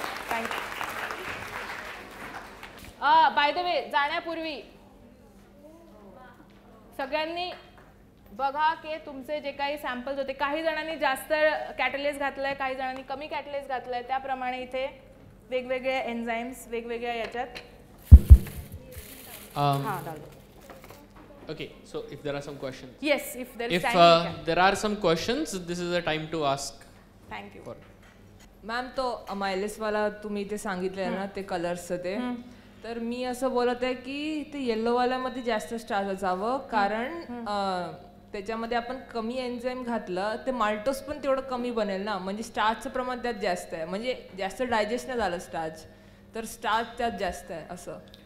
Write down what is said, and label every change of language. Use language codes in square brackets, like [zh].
[en] thank you by the way [mr] जाण्यापूर्वी सगळ्यांनी बघा की तुमचे जे काही सॅम्पल्स होते काही जणांनी जास्त कॅटलेज घातलं आहे काही जणांनी कमी कॅटलेज घातलं आहे त्याप्रमाणे इथे वेगवेगळ्या एन्झाईम्स वेगवेगळ्या याच्यात [en] okay so if there are some questions yes if there if there are some questions this is a time to ask thank you [mr] ma'am तो अमायलेसवाला तुम्ही इथे सांगितलं आहे ना ते कलर्सचं ते तर मी असं बोलत आहे की ते येल्लोवाल्यामध्ये जास्त स्टार्स असावं कारण त्याच्यामध्ये आपण कमी एन्झाईम घातलं ते माल्टोस पण तेवढं कमी बनेल ना म्हणजे स्टार्चचं प्रमाण त्यात जास्त आहे म्हणजे जास्त डायजेस्ट नाही झालं स्टार्च तर स्टार्च त्यात जास्त आहे असं